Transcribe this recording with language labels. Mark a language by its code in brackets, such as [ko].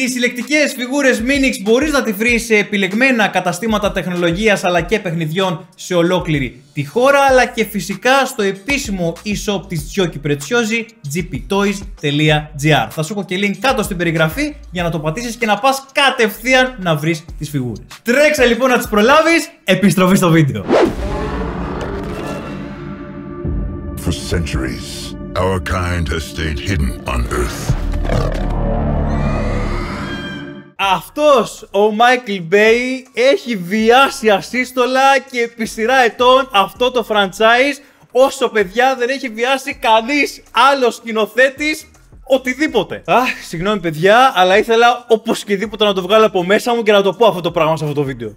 [el] Τις συλλεκτικές φιγούρες Minix μπορείς να τη βρεις σε επιλεγμένα καταστήματα τεχνολογίας αλλά και παιχνιδιών σε ολόκληρη τη χώρα, αλλά και φυσικά στο επίσημο e-shop της Τζιόκι Πρετσιόζη, gptoys.gr. Θα σου έχω και link κάτω στην περιγραφή για να το πατήσεις και να πας κατευθείαν να βρεις τις φιγούρες. Τρέξε λοιπόν να τις προλάβεις, επιστροφή στο βίντεο! [en] For centuries, our kind has stayed hidden on Earth. [el] Αυτός ο Michael Bay έχει βιάσει ασύστολα και επί σειρά ετών αυτό το franchise όσο, παιδιά, δεν έχει βιάσει κανείς άλλος σκηνοθέτης οτιδήποτε. Αχ, συγγνώμη παιδιά, αλλά ήθελα οπωσδήποτε να το βγάλω από μέσα μου και να το πω αυτό το πράγμα σε αυτό το βίντεο.